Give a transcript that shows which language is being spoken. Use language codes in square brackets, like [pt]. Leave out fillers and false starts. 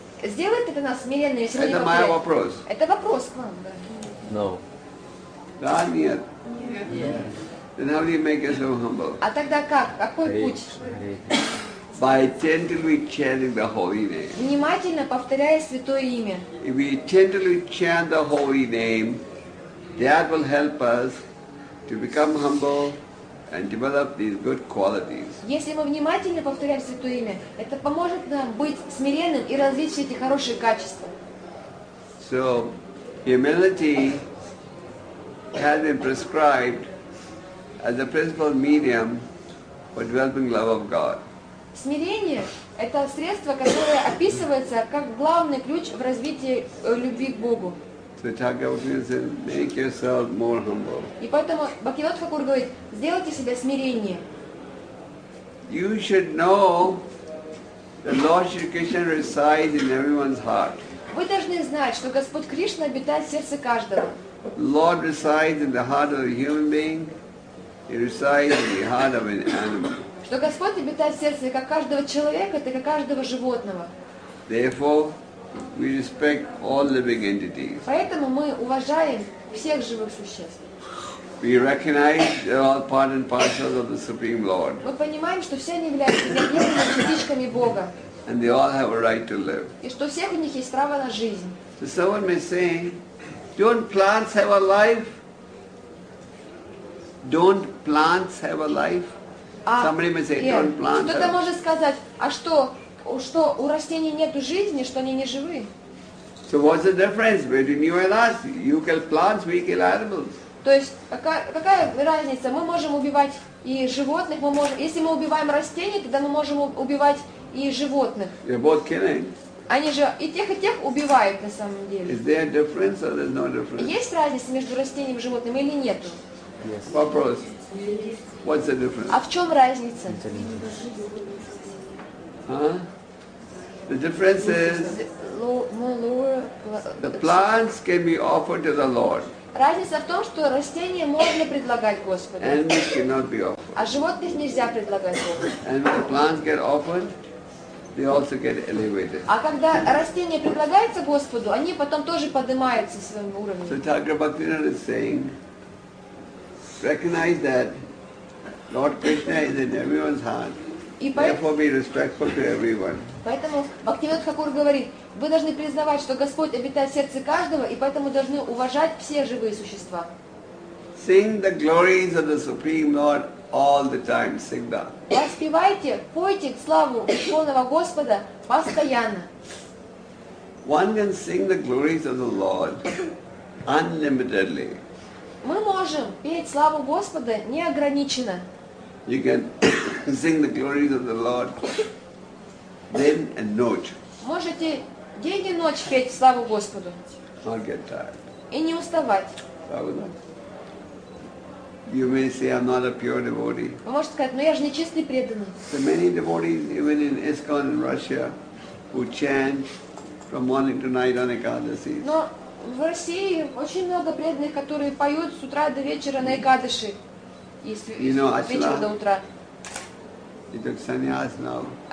[ru] Сделать это нас смиренно, если не повторяй. Это мой вопрос. Это вопрос к вам, да. [en] No. [ru] Да, нет. Нет. [en] Yeah. Then how do you make yourself humble? [ru] А тогда как? Какой путь? [en] By attentively chanting the holy name. [ru] Внимательно повторяя святое имя. [en] If we attentively chant the holy name, that will help us to become humble and develop these good qualities. [ru] Если мы внимательно повторяем Святое Имя, это поможет нам быть смиренным и развить эти хорошие качества. [en] So, humility has been prescribed as the principal medium for developing love of God. [ru] Смирение – это средство, которое описывается как главный ключ в развитии любви к Богу. [en] Make yourself more humble. [ru] И поэтому Бхактивинода Тхакур говорит, сделайте себя смиреннее. [en] You should know that Lord Shri Krishna resides in everyone's heart. [ru] Вы должны знать, что Господь Кришна обитает в сердце каждого. [en] Lord resides in the heart of a human being. He resides in the heart of an animal. [ru] Что Господь обитает в сердце как каждого человека, так и каждого животного. [en] Therefore, we respect all living entities. [ru] Поэтому мы уважаем всех живых существ. [en] We recognize that all part and parcels of the Supreme Lord. [ru] Мы понимаем, что все они являются отдельными частичками Бога. [en] And they all have a right to live. [ru] И что всех у них есть право на жизнь. [en] So someone may say, "Don't plants have a life? Don't plants have a life?" Somebody may say, "Don't plants?" [ru] Кто-то может сказать, а что? Что у растений нету жизни, что они не живы. [en] So what's the difference between you and us? You kill plants, we kill animals. [ru] То есть какая разница? Мы можем убивать и животных, мы можем. Если мы убиваем растений, тогда мы можем убивать и животных. [en] They're both killing. [ru] Они же и тех убивают на самом деле. [en] Is there a difference or there's no difference? [ru] Есть разница между растением и животным или нет? [en] Yes. [ru] Вопрос. [en] What's the difference? [ru] А в чем разница? [en] Huh? The difference is the plants can be offered to the Lord. [ru] Разница в том, что растения можно предлагать Господу. [en] Animals cannot be offered. [ru] А животных нельзя предлагать Господу. [en] And when the plants get offered, they also get elevated. [ru] А когда растения предлагаются Господу, они потом тоже поднимаются в своем уровне. [en] So Thakur Bhaktivinoda is saying, recognize that Lord Krishna is in everyone's heart. Therefore, be respectful to everyone. [ru] Поэтому Бхактивинод Тхакур говорит, вы должны признавать, что Господь обитает в сердце каждого, и поэтому должны уважать все живые существа. [en] Sing the glories of the Supreme Lord all the time, [ru] всегда. Воспевайте, пойте славу Верховного Господа постоянно. [en] One can sing the glories of the Lord unlimitedly. [ru] Мы можем петь славу Господа неограниченно. [en] You can sing the glories of the Lord day and night. [ru] Можете день и ночь петь славу Господу. [en] Not get tired. [ru] И не уставать. [en] You may say, "I'm not a pure devotee." [ru] Вы можете сказать, но я же не чистый преданный. [en] So many devotees, even in ISKCON in Russia, who chant from morning to night on Ekadasi. [ru] Но в России очень много преданных, которые поют с утра до вечера на Экадаши. [en] You know, Ачала. He took sannyas now.